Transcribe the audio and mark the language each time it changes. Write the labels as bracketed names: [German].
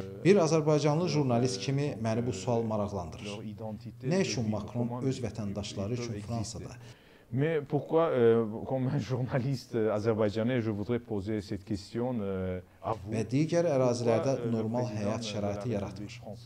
[Azerbaijani] Bir Azərbaycanlı jurnalist kimi məni bu sual maraqlandırır. Nə üçün Macron öz vətəndaşları üçün Fransada? [French] Mais pourquoi, comme un journaliste azerbaïdjanais, je voudrais poser cette question à vous. [Azerbaijani] Ve diğer ərazilərdə normal həyat şəraiti yaratmış.